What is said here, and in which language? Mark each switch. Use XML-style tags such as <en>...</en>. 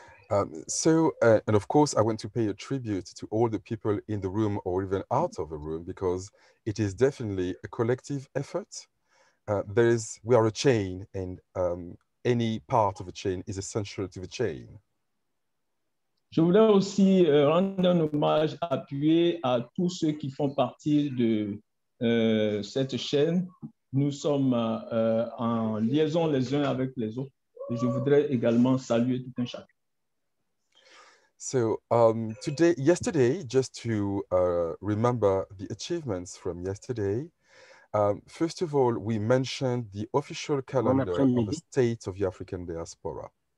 <en>And of course, I want to pay a tribute to all the people in the room or even out of the room because it is definitely a collective effort. We are a chain, and any part of a chain is essential to the chain.</en> <fr>Je voulais aussi rendre un hommage appuyé à tous ceux qui font partie de cette chaîne. Nous sommes en liaison les uns avec les autres. Et je voudrais également saluer tout un chacun.</fr> <en>So, yesterday, just to remember the achievements from yesterday, first of all, we mentioned the official calendar of the State of the African Diaspora.</en>